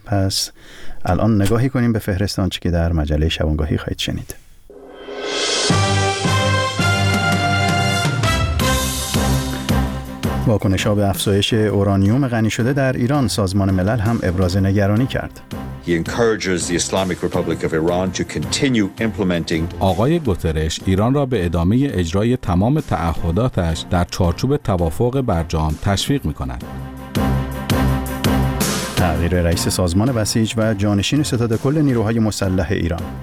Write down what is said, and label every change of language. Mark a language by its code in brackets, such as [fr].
[fa] پس الان نگاهی کنیم به فهرست آنچه که در مجله شبانگاهی خواهید شنید. واکنش‌ها به افزایش اورانیوم غنی شده در ایران، سازمان ملل هم ابراز نگرانی کرد. [en] He encourages the Islamic Republic of Iran to continue implementing. [fa] آقای گوترش ایران را به ادامه اجرای تمام تعهداتش در چارچوب توافق برجام تشویق می‌کند. تغییر رئیس سازمان بسیج و جانشین ستاد کل نیروهای مسلح ایران.